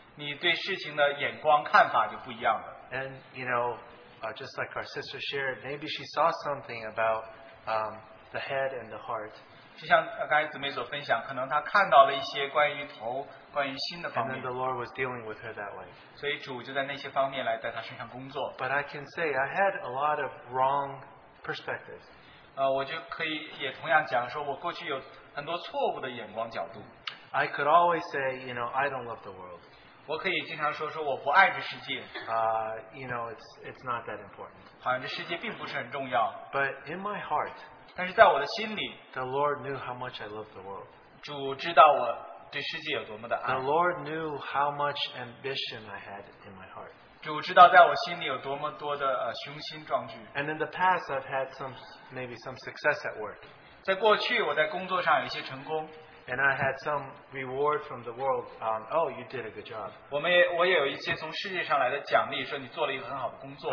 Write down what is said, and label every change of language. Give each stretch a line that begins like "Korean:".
English: And, you know, just like our sister shared, maybe she saw something about the head and the heart.
Chinese: 就像刚才姊妹所分享，可能她看到了一些关于头、关于心的方面。
English: And then the Lord was dealing with her that way.
Chinese: 所以主就在那些方面来在她身上工作。
English: But I can say I had a lot of wrong perspectives.
Chinese: 我就可以也同样讲说，我过去有很多错误的眼光角度。
English: I could always say, you know, I don't love the world.
Chinese: 我可以经常说说我不爱这世界。
English: You know, it's not that important.
Chinese: 好像这世界并不是很重要。
English: But in my heart.
Chinese: 但是在我的心里,
English: the Lord knew how much I loved the world.
Chinese: 主知道我对世界有多么的爱。
English: The Lord knew how much ambition I had in my heart.
Chinese: 主知道在我心里有多么多的,
English: And in the past, I've had maybe some success at work.
Chinese: 在过去我在工作上有一些成功。
English: And I had some reward from the world on, oh, you did a good job.
Chinese: 我也有一些从世界上来的奖励，说你做了一个很好的工作。